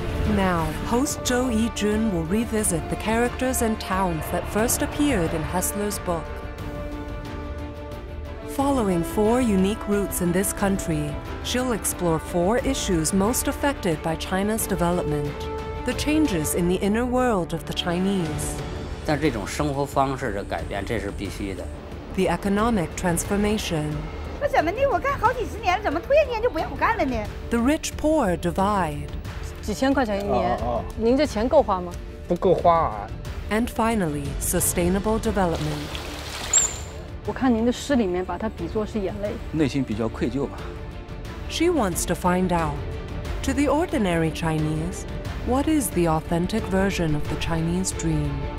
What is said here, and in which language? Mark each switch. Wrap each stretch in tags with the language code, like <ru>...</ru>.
<en>Now, host Zhou Yi Jun will revisit the characters and towns that first appeared in Hessler's book. Following four unique routes in this country, she'll explore four issues most affected by China's development, the changes in the inner world of the Chinese.</en> <zh>但这种生活方式的改变，这是必须的。</zh> <en>The economic transformation.</en> <zh>那怎么的？我干好几十年了，怎么突然间就不让我干了呢？</zh> <en>The rich poor divide.</en> <zh>几千块钱一年，您这钱够花吗？不够花啊。And</zh> <en>finally, sustainable development.</en> <zh>我看您的诗里面把它比作是眼泪，内心比较愧疚吧。</zh> <en>She wants to find out, to the ordinary Chinese, what is the authentic version of the Chinese dream?</en>